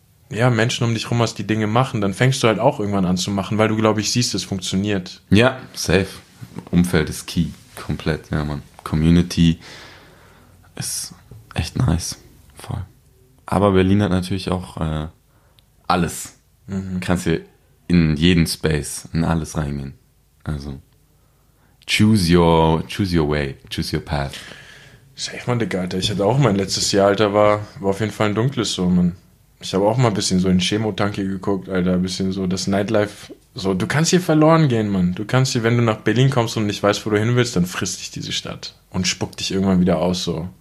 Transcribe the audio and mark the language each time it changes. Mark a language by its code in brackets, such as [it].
[de] Ja, Menschen um dich rum hast, die Dinge machen, dann fängst du halt auch irgendwann an zu machen, weil du, glaube ich, siehst, es funktioniert. Ja, safe. Umfeld ist key. Komplett, ja, Mann. Community ist echt nice. Voll. Aber Berlin hat natürlich auch alles. Mhm. Du kannst hier in jeden Space, in alles reingehen. Also, [en] choose your way, choose your path. [de] Safe, Mann, Digga, Alter. Ich hatte auch mein letztes Jahr, Alter, war auf jeden Fall ein dunkles so, Mann. Ich habe auch mal ein bisschen so in Chemotanke geguckt, Alter, ein bisschen so das Nightlife. So, du kannst hier verloren gehen, Mann. Du kannst hier, wenn du nach Berlin kommst und nicht weißt, wo du hin willst, dann frisst dich diese Stadt und spuckt dich irgendwann wieder aus, so.